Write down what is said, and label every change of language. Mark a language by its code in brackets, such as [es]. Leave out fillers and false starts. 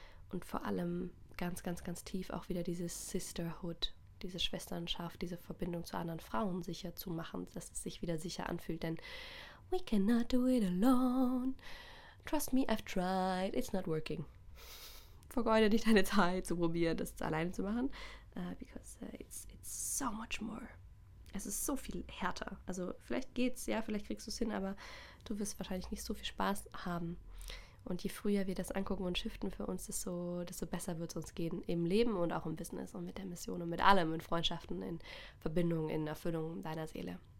[de] Und vor allem ganz, ganz, ganz tief auch wieder diese Sisterhood, diese Schwesternschaft, diese Verbindung zu anderen Frauen sicher zu machen, dass es sich wieder sicher anfühlt, denn [en] we cannot do it alone. Trust me, I've tried. It's not working. [de] Vergeude nicht deine Zeit zu probieren, das alleine zu machen. [en] Because it's so much more. [de] Es ist so viel härter. Also vielleicht geht's, ja, vielleicht kriegst du es hin, aber du wirst wahrscheinlich nicht so viel Spaß haben. Und je früher wir das angucken und shiften für uns, desto besser wird es uns gehen im Leben und auch im Business und mit der Mission und mit allem, in Freundschaften, in Verbindung, in Erfüllung deiner Seele.